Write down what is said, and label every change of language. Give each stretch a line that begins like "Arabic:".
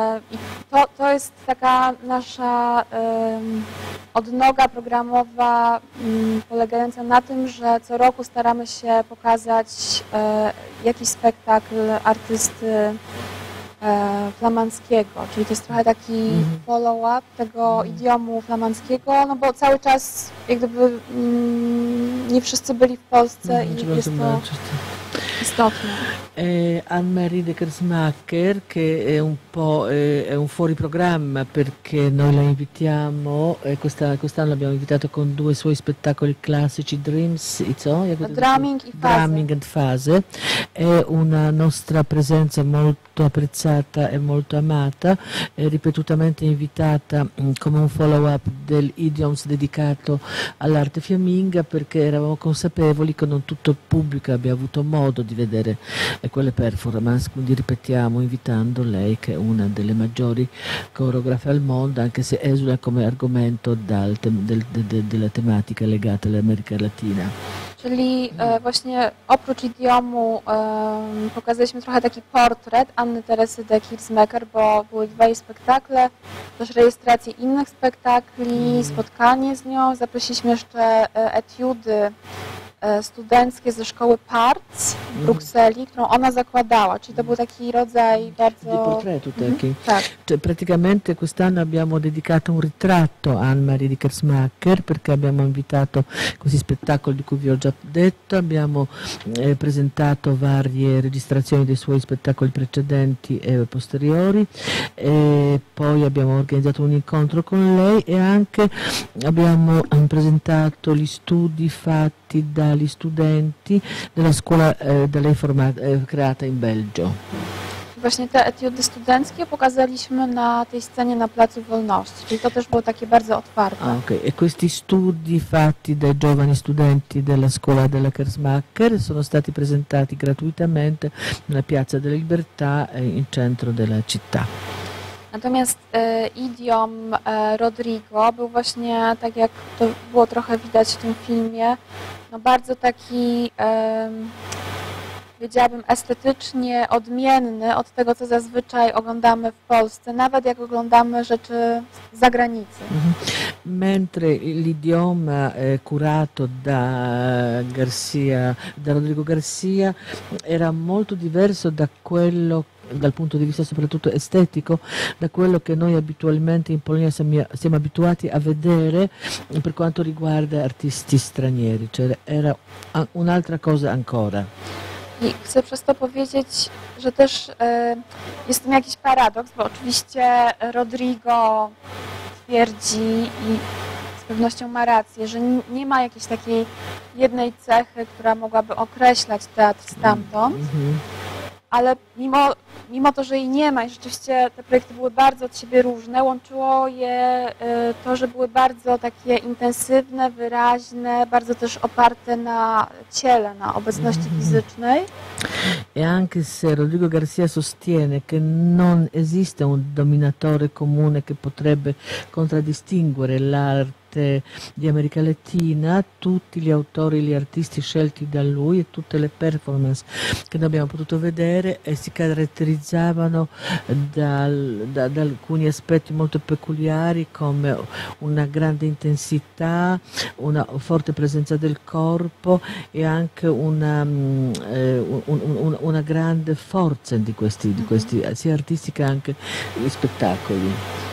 Polish: I to jest taka nasza odnoga programowa polegająca na tym, że co roku staramy się pokazać jakiś spektakl artysty flamandzkiego, czyli to jest trochę taki follow-up tego idiomu flamandzkiego, no bo cały czas jak gdyby nie wszyscy byli w Polsce i jest to istotne.
Italian: Anne-Marie de Kersmacher, che è un po' è un fuori programma perché noi la invitiamo, quest'anno l'abbiamo invitato con due suoi spettacoli classici, Dreams, Drumming and Fase. È una nostra presenza molto apprezzata e molto amata, è ripetutamente invitata come un follow-up del Idioms dedicato all'arte fiamminga, perché eravamo consapevoli che non tutto il pubblico abbia avuto modo di vedere quelle performance, quindi ripetiamo invitando lei, che è una delle maggiori coreografe al mondo, anche se esula come argomento della tematica legata all'America Latina.
Polish: Czyli właśnie oprócz idiomu pokazaliśmy trochę taki portret Anny Teresy de Kirzmecker, bo były dwa jej spektakle, też rejestracje innych spektakli, spotkanie z nią. Zaprosiliśmy jeszcze etiudy studenckie ze szkoły PARTS w Brukseli, którą ona zakładała. Czyli to był taki rodzaj bardzo... Di portretu taki. Tak.
Italian: Praticamente quest'anno abbiamo dedicato un ritratto a Anne-Marie di Kersmacher, perché abbiamo invitato questi spettacoli di cui vi ho già detto. Abbiamo presentato varie registrazioni dei suoi spettacoli precedenti e posteriori. E poi abbiamo organizzato un incontro con lei e anche abbiamo presentato gli studi fatti dagli studenti della scuola da lei creata in Belgio.
Polish: Właśnie te etiudy studenckie pokazaliśmy na tej scenie na Placu Wolności, czyli to też było takie bardzo otwarte. Okay.
Italian: E questi studi fatti dai giovani studenti della scuola della Kersmacher sono stati presentati gratuitamente nella Piazza della Libertà in centro della città.
Polish: Natomiast idiom Rodrigo był właśnie, tak jak to było trochę widać w tym filmie, no bardzo taki powiedziałabym, estetycznie odmienny od tego, co zazwyczaj oglądamy w Polsce, nawet jak oglądamy rzeczy z zagranicy.
Italian: Mentre l'idioma curato da Garcia, da Rodrigo Garcia, era molto diverso da quello, dal punto di vista soprattutto estetico, da quello che noi abitualmente in Polonia siamo abituati a vedere per quanto riguarda artisti stranieri, cioè era un'altra cosa ancora.
Polish: I chcę przez to powiedzieć, że też jest to jakiś paradoks, bo oczywiście Rodrigo twierdzi i z pewnością ma rację, że nie ma jakiejś takiej jednej cechy, która mogłaby określać teatr stamtąd. Ale mimo to, że jej nie ma i rzeczywiście te projekty były bardzo od siebie różne, łączyło je to, że były bardzo takie intensywne, wyraźne, bardzo też oparte na ciele, na obecności fizycznej.
Italian: E anche se Rodrigo Garcia sostiene che non esiste un dominatore comune che potrebbe contraddistinguere l'arte di America Latina, tutti gli autori, gli artisti scelti da lui e tutte le performance che noi abbiamo potuto vedere e si caratterizzavano da alcuni aspetti molto peculiari come una grande intensità, una forte presenza del corpo e anche una grande forza di questi, sia artistica anche gli spettacoli.